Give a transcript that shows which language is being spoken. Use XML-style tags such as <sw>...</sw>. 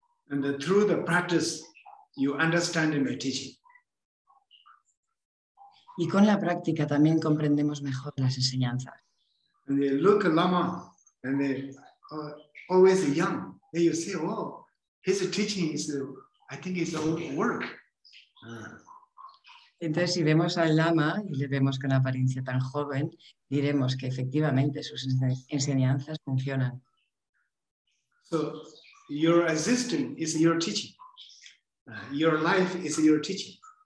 <en>And through the practice, you understand my teaching.</en> <es>Y con la práctica también comprendemos mejor las enseñanzas.</es> <en>And they look at Lama and they are always young. And you say, oh. His teaching is, I think it's a work.</en> <es>Entonces, si vemos al Lama y le vemos con apariencia tan joven, diremos que efectivamente sus enseñanzas funcionan.</es> <en>So, your existence is your teaching. Your life is your teaching.</en>